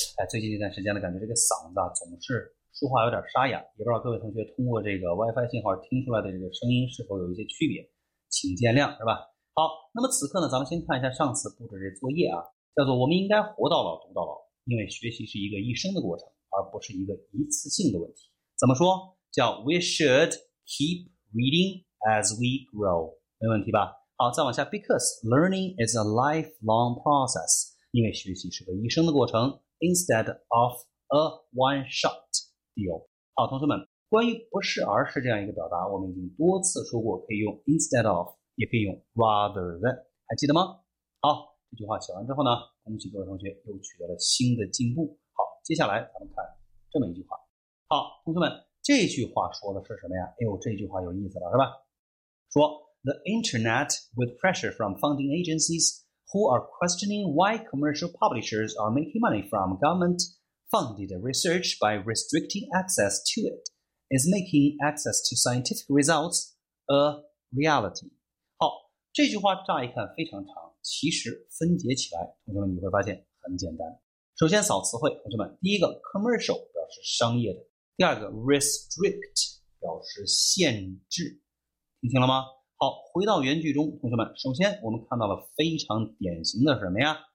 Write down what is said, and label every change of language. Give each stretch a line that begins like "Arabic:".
Chinese: 哎，最近这段时间呢，感觉这个嗓子啊，总是说话有点沙哑，也不知道各位同学通过这个 WiFi 信号听出来的这个声音是否有一些区别，请见谅，是吧？好，那么此刻呢，咱们先看一下上次布置这作业啊，叫做我们应该活到老读到老，因为学习是一个一生的过程，而不是一个一次性的问题。怎么说？叫
English: We should keep reading as we grow，没问题吧？
Chinese: 好，再往下，
English: because learning is a lifelong process，
Chinese: 因为学习是个一生的过程，
English: instead of a one-shot deal。
Chinese: 好，同学们，关于不是而是这样一个表达，我们已经多次说过，可以用 instead of，也可以用 rather than，还记得吗？好，这句话写完之后呢，恭喜各位同学又取得了新的进步。好，接下来咱们看这么一句话。好，同学们，这句话说的是什么呀？哎呦，这句话有意思了，是吧？说。
English: The internet with pressure from funding agencies who are questioning why commercial publishers are making money from government-funded research by restricting access to it is making access to scientific results a reality。
Chinese: 好，这句话乍一看非常长，其实分解起来，同学们你会发现很简单。首先扫词汇，同学们，第一个 commercial 表示商业的，第二个 restrict 表示限制，听清了吗？好，回到原句中，同学们，首先我们看到了非常典型的是什么呀？